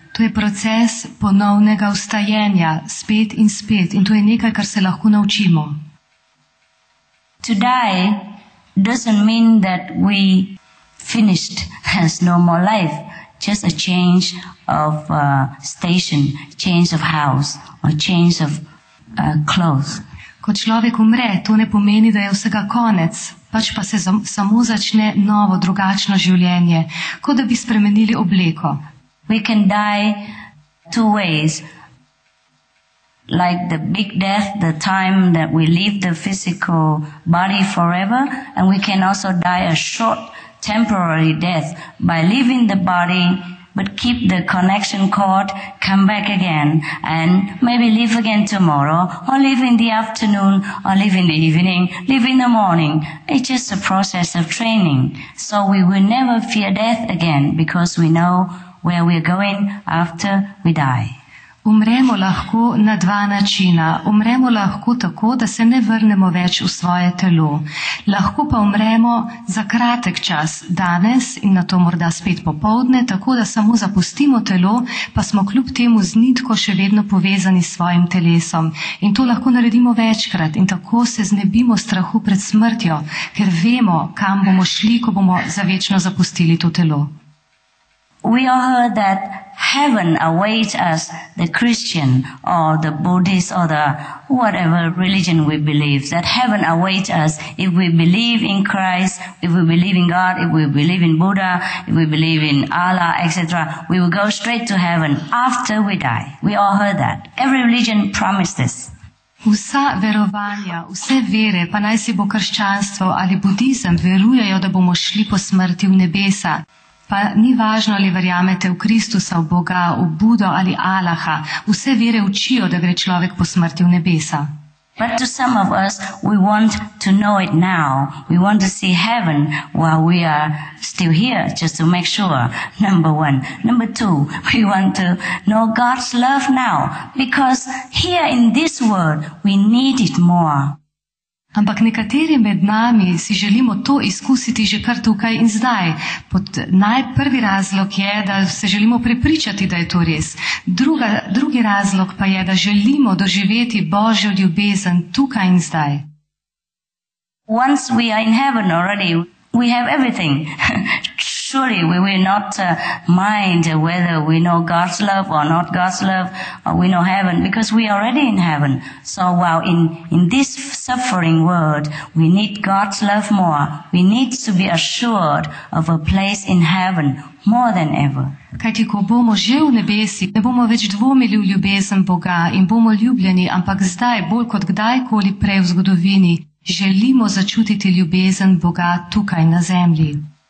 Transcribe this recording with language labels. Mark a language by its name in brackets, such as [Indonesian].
[Slovenian] To je proces ponovnega vstajenja, spet in spet, in to je nekaj, kar se lahko naučimo. [English] To die doesn't mean that we finished, has no more life, just a change of station, change of house, or change of clothes. [Slovenian] Ko človek umre, to ne pomeni, da je vsega konec. Pač pa se samo začne novo, drugačno življenje, kot da bi spremenili obleko. [English] We can die two ways. Like the big death, the time that we leave the physical body forever, and we can also die a short temporary death by leaving the body, but keep the connection cord, come back again, and maybe leave again tomorrow, or leave in the afternoon, or leave in the evening, leave in the morning. It's just a process of training. So we will never fear death again, because we know where we are going after we die. [Slovenian] Umremo lahko na dva načina. Umremo lahko tako, da se ne vrnemo več v svoje telo. Lahko pa umremo za kratek čas danes in nato morda spet popoldne, tako da samo zapustimo telo, pa smo kljub temu z nitko še vedno povezani s svojim telesom. In to lahko naredimo večkrat in tako se znebimo strahu pred smrtjo, ker vemo, kam bomo šli, ko bomo za večno zapustili to telo. [English] We all heard that heaven awaits us, the Christian or the Buddhist or the whatever religion we believe, that heaven awaits us if we believe in Christ, if we believe in God, if we believe in Buddha, if we believe in Allah, etc. We will go straight to heaven after we die. We all heard that. Every religion promised this. [Slovenian] Vsa verovanja, vse vere, pa naj si bo krščanstvo ali budizem, verujejo, da bomo šli po smrti v nebesa. Pa ni važno, ali verjamete v Kristusa, v Boga, v Budo ali Alaha. Vse vere učijo, da gre človek po smrti v nebesa. [English] But to some of us, we want to know it now. We want to see heaven while we are still here, just to make sure, number one. Number two, we want to know God's love now, because here in this world, we need it more. [Slovenian] Ampak nekateri med nami si želimo to izkusiti že kar tukaj in zdaj. Najprvi razlog je, da se želimo prepričati, da je to res. Drugi razlog pa je, da želimo doživeti Božjo ljubezen tukaj in zdaj. [English] Once we are in heaven already, we have everything. Surely we will not mind whether we know God's love or not God's love, or we know heaven, because we are already in heaven. So while in this suffering world, we need God's love more. We need to be assured of a place in heaven more than ever. [Slovenian] Kajti, ko bomo že v nebesi, ne bomo več dvomili v ljubezen Boga in bomo ljubljeni, ampak zdaj, bolj kot kdajkoli prej v zgodovini, želimo začutiti ljubezen Boga tukaj na zemlji.